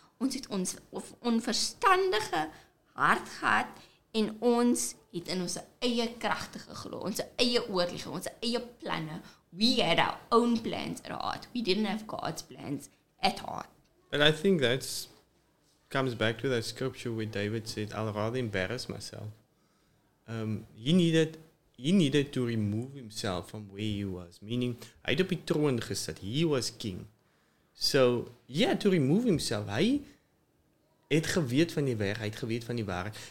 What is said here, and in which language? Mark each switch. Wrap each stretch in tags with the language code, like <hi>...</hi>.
<af>Ons het ons onverstandige hart gehad en ons het in ons eie kragte geglo, ons eie oorlewe, ons eie planne.</af> <en>We had our own plans at heart. We didn't have God's plans at heart. But I think that comes back to that scripture where David said, I'll rather embarrass myself. He needed to remove himself from where he was. Meaning,</en> <af>hy het op die troon gesit.</af> <en>He was king. So, he had to remove himself.</en> <af>Hy het geweet van die weg. Hy het geweet van die waarheid.</af>